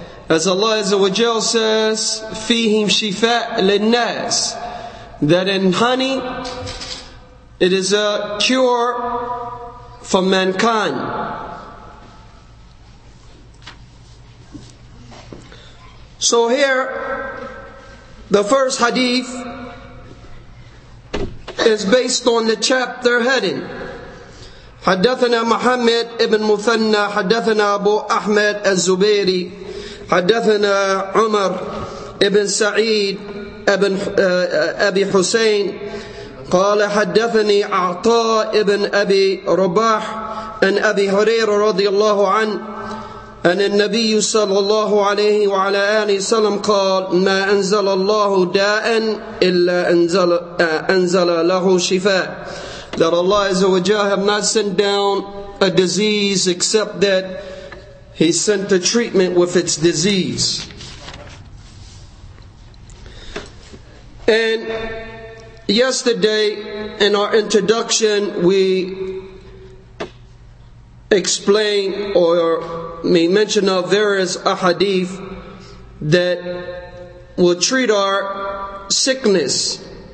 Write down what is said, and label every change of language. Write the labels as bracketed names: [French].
[English] As Allah Azza wa Jal says, [Arabic] فِيهِمْ شِفَاءٌ لِلنَّاسِ, [English] that in honey, it is a cure for mankind. So here, the first hadith is based on the chapter heading. [Arabic] حدثنا محمد ابن مثنى حدثنا أبو أحمد الزبيري حدثنا عمر ابن سعيد ابن أبي حسين قال حدثني عطاء ابن أبي رباح أن أبي هريرة رضي الله عنه أن النبي صلى الله عليه وعلى آله وسلم قال ما أنزل الله داء إلا أنزل له شفاء, [English] that Allah Azza wa Jalla have not sent down a disease except that He sent a treatment with its disease. And yesterday in our introduction we explained or may mention of various ahadith that will treat our sickness,